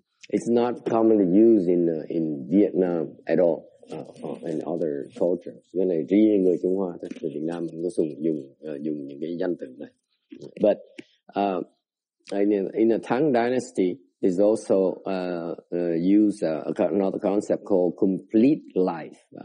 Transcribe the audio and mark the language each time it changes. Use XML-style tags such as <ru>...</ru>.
<en>It's not commonly used in Vietnam at all, in other cultures.</en> <vi>Cái này riêng người Trung Hoa, thì Việt Nam không có dùng những cái danh từ này.</vi> <en>But in the Tang Dynasty, there's also another concept called complete life.</en>